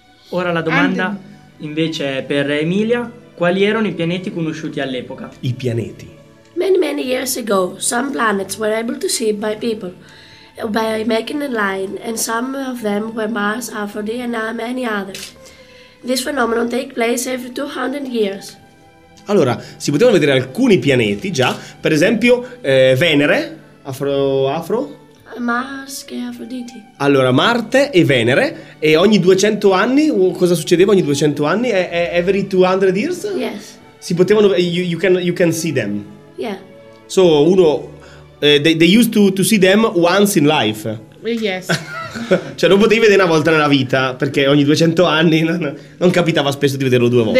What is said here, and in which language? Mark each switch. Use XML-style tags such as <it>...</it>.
<it>Ora la domanda invece è per Emilia: quali erano i pianeti conosciuti all'epoca? I pianeti.</it> <en>Many, many years ago, some planets were able to see by people by making a line, and some of them were Mars, Aphrodite, and many others. This phenomenon take place every 200 years.</en> <it>Allora, si potevano vedere alcuni pianeti già, per esempio Venere, Afro? Mars e Afrodite. Allora, Marte e Venere, e ogni 200 anni, cosa succedeva ogni 200 anni?</it> <en>Every 200 years? Yes.</en> <it>Si potevano,</it> <en>you can see them. Yeah. So, uno, they used to see them once in life. Yes.</en> <it>Cioè, non potevi vedere una volta nella vita, perché ogni 200 anni non capitava spesso di vederlo due volte.</it>